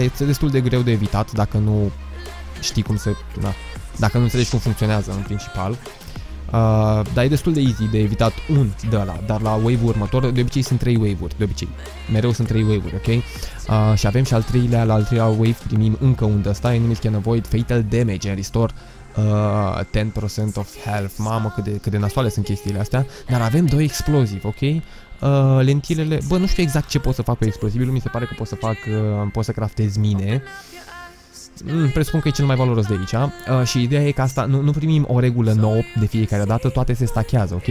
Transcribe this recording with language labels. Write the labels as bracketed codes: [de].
[ro] Este destul de greu de evitat dacă nu știi cum se... Na, dacă nu înțelegi cum funcționează în principal. Dar e destul de easy de evitat un de ăla. Dar la wave-ul următor, de obicei sunt 3 wave-uri. De obicei, mereu sunt 3 wave-uri, ok? Și avem și al treilea, la al treilea wave primim încă un de ăsta. E numit [en] Can Avoid Fatal Damage and Restore 10% of health. [ro] Mamă, cât de nasoale sunt chestiile astea. Dar avem 2 explosive, ok? Lentilele, bă, nu știu exact ce pot să fac cu explosibilul. Mi se pare că pot să craftez mine. Presupun că e cel mai valoros de aici. Și ideea e că asta, nu primim o regulă nouă de fiecare dată, toate se stachează, ok?